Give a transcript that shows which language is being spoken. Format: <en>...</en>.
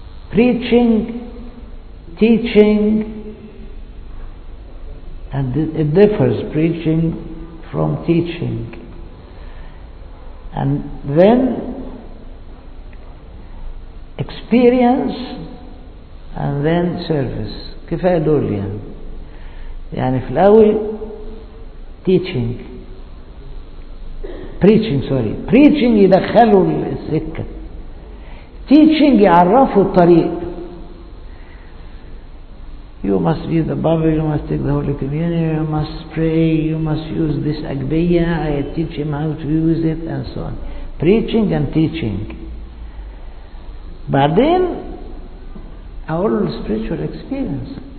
<en>Preaching, teaching, and it differs, preaching from teaching. And then experience and then service.</en> <ar>كفاية دول يعني في الأول teaching. Preaching يدخلوا السكة. Teaching يعرفوا الطريق.</ar> <en>You must read the Bible, you must take the Holy Communion, you must pray, you must use this agbaya, I teach him how to use it, and so on. Preaching and teaching. But then, our spiritual experience.</en>